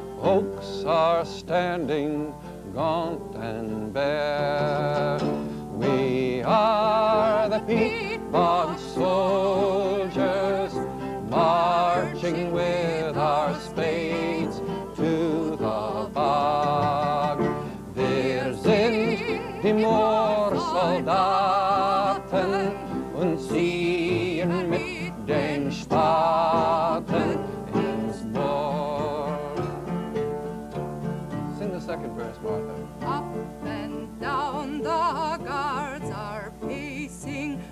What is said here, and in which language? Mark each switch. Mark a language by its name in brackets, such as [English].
[English] Oaks are standing gaunt and bare. We are the peat bog soldiers, marching with our spades to the bog. [German] Wir sind die Moorsoldaten und ziehen mit den Spaten ins Moor. [English] Sing the second verse, Martha. Up and down the guards are pacing.